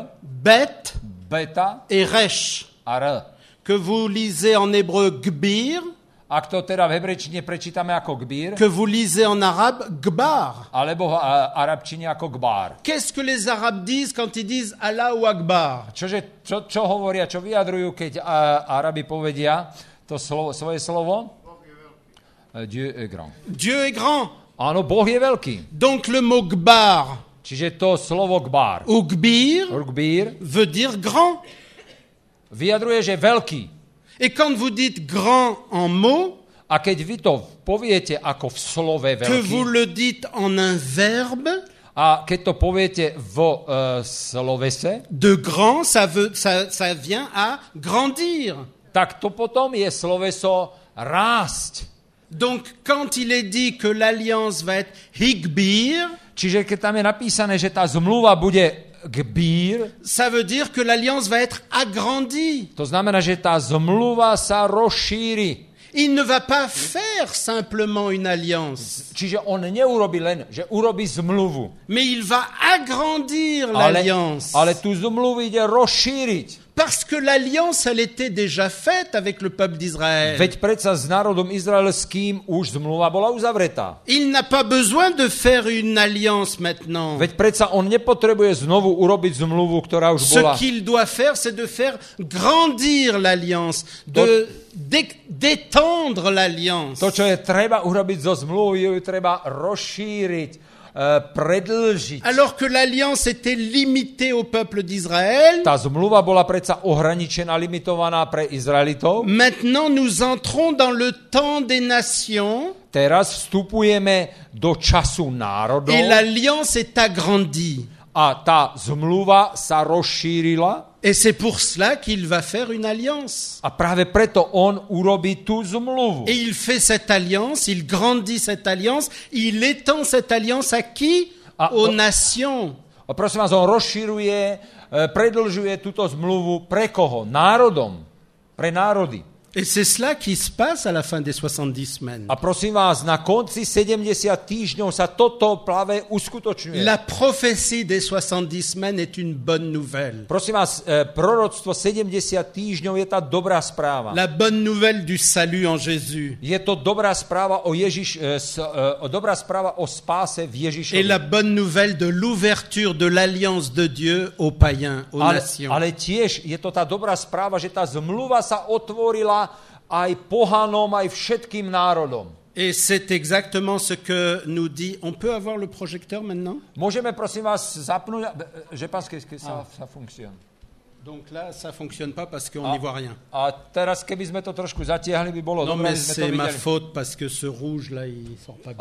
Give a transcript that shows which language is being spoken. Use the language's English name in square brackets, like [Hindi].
[French] Bet. [Slovak] Beta. [French] Et resh. [Slovak] A R. [French] Que vous lisez en hébreu gbir. [Slovak] Ak to teda v hebrejčine prečítame ako gbir. [French] Que vous lisez en arabe gbar. [Slovak] Alebo v arabčine ako gbar. [French] Qu'est-ce que les arabes disent quand ils disent Allah ou Akbar? [Slovak] Čože, čo hovoria, čo vyjadrujú, keď Arabi povedia to slovo, svoje slovo? [French] Dieu est grand. Dieu est grand. [Slovak] Áno, Boh je veľký. [French] Donc le mot gbar. [Slovak] Čiže to slovo gbar. [French] Ugbir. Veut dire grand. [Slovak] Vyjadruje, že veľký. [French] Et quand vous dites grand en mot, [Slovak] a keď vy to poviete ako v slove veľký, [French] que vous le dites en un verbe, [Slovak] a keď to poviete v slovese, [French] de grand, ça vient à grandir. [Slovak] Tak to potom je sloveso rásť. [French] Donc quand il est dit que l'alliance va être higbir, [Slovak] čiže keď tam je napísané, že tá zmluva bude gbir, [French] ça veut dire que l'alliance va être agrandie. [Slovak] To znamená, že tá zmluva sa rozšíri. [French] Il ne va pas faire simplement une alliance. [Slovak] Čiže on neurobi len, že urobi zmluvu. [French] Mais il va agrandir l'alliance. [Slovak] Ale tú zmluvu ide rozšíriť. [French] Parce que l'alliance elle était déjà faite avec le peuple d'Israël. [Slovak] Veď predsa s národom izraelským už zmluva bola uzavretá. [French] Il n'a pas besoin de faire une alliance maintenant. [Slovak] Veď predsa on nepotrebuje znovu urobiť zmluvu, ktorá už bola. [French] Ce qu'il doit faire c'est de faire grandir l'alliance, d'étendre l'alliance. [Slovak] To, čo je treba urobiť so zmluvou, je treba rozšíriť. Predlžiť. [French] Alors que l'alliance était limitée au peuple d'Israël. [Slovak] Tá zmluva bola predsa ohraničená, limitovaná pre Izraelitov. [French] Maintenant nous entrons dans le temps des nations. [Slovak] Teraz vstupujeme do času národov. [French] Et l'alliance est agrandie. [Slovak] A tá zmluva sa rozšírila. [French] Et c'est pour cela qu'il va faire une alliance. [Slovak] A práve preto on urobí tú zmluvu. [French] Et il fait cette alliance, il grandit cette alliance, il étend cette alliance à qui? Aux nations. [Slovak] A prosím vás, on rozširuje, predlžuje túto zmluvu pre koho? Národom. Pre národy. [French] Et c'est cela qui se passe à la fin des 70 semaines. [Slovak] A prosím vás, na konci 70 týždňov sa toto práve uskutočňuje. [French] La prophétie des 70 semaines est une bonne nouvelle. [Slovak] Prosím vás, proroctvo 70 týždňov je tá dobrá správa. [French] La bonne nouvelle du salut en Jésus. [Slovak] Je to dobrá správa o Ježiš, dobrá správa o spáse v Ježišovi. [French] Et la bonne nouvelle de l'ouverture de l'alliance de Dieu aux païens, aux nations. [Slovak] Ale tiež je to tá dobrá správa, že tá zmluva sa otvorila aj pohanom, aj všetkým národom. [French] Et c'est exactement ce que nous dit. On peut avoir le projecteur maintenant? [Slovak] Môžeme prosím vás zapnúť, [French] je pense que ça ça fonctionne. Donc là ça fonctionne pas parce qu'on n'y voit rien. [Slovak] A teraz keby sme to trošku zatiahli, by bolo dobre, sme to videli. [French] Non mais c'est ma faute parce que ce rouge là il sort pas bien.